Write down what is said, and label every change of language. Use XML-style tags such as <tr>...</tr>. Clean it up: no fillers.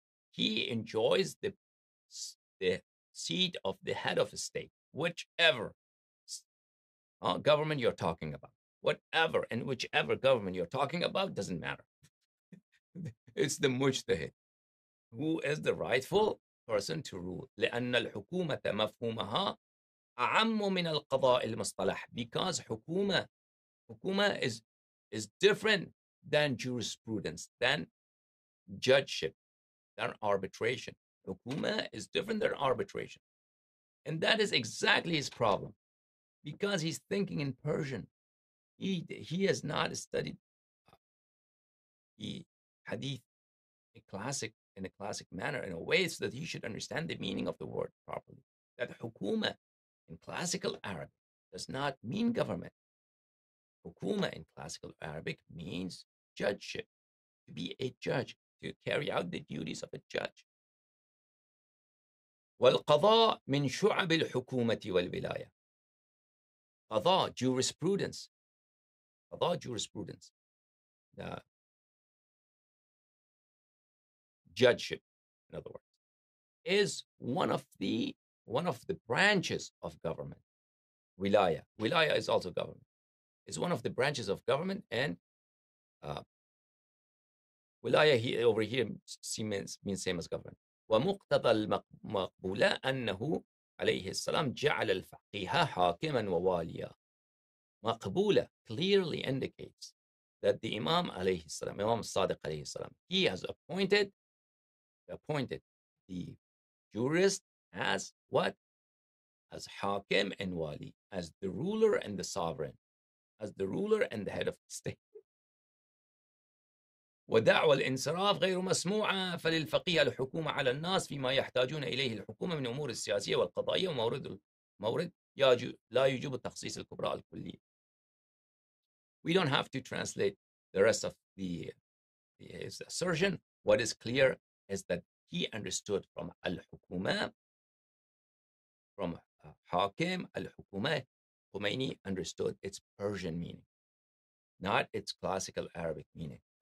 <en>He enjoys the seat of the head of the state, whichever government you're talking about. Whatever and whichever government you're talking about doesn't matter. It's the mujtahid. Who is the rightful person to rule?</en> <ar>لأن الحكومة مفهومها أعم من القضاء المصطلح.</ar> <en>Because hukuma is different than jurisprudence, than judgeship, than arbitration. Hukuma is different than arbitration. And that is exactly his problem. Because he's thinking in Persian. He has not studied the hadith in a classic manner, in a way so that he should understand the meaning of the word properly. That hukuma in classical Arabic does not mean government. Hukuma in classical Arabic means judgeship, to be a judge, to carry out the duties of a judge.</en> <ar>وَالْقَضَىٰ مِنْ شُعَبِ الْحُكُومَةِ وَالْوِلَايَةِ قَضَىٰ, jurisprudence.</ar> <en>قَضَىٰ, jurisprudence. Judgeship, in other words, is one of the branches of government. Wilaya. Wilaya is also government. It's one of the branches of government, and wilaya over here means same as government.</en> <ar>وَمُقْتَضَى الْمَقْبُولَ أَنَّهُ عَلَيْهِ السَّلَامُ جَعَلَ الْفَقِيهَ حَاكِمًا وَوَالِيًا.</ar> <en>مَقْبُولَ clearly indicates that the Imam alayhi salam, Imam Sadiq alayhi salam, he has appointed the jurist as what? As حَاكِم and wali, as the ruler and the sovereign. As the ruler and the head of the state.</en> <ar>ودعوى الانصراف غير مسموعة فللفقيه الحكومة على الناس فيما يحتاجون إليه الحكومة من أمور السياسية والقضائية ومورد لا يجب التخصيص الكبرى الكلي.</ar> <en>We don't have to translate the rest of his assertion. What is clear is that he understood from الحكومة, from حاكم الحكومة, Khomeini understood its Persian meaning, not its classical Arabic meaning.</en>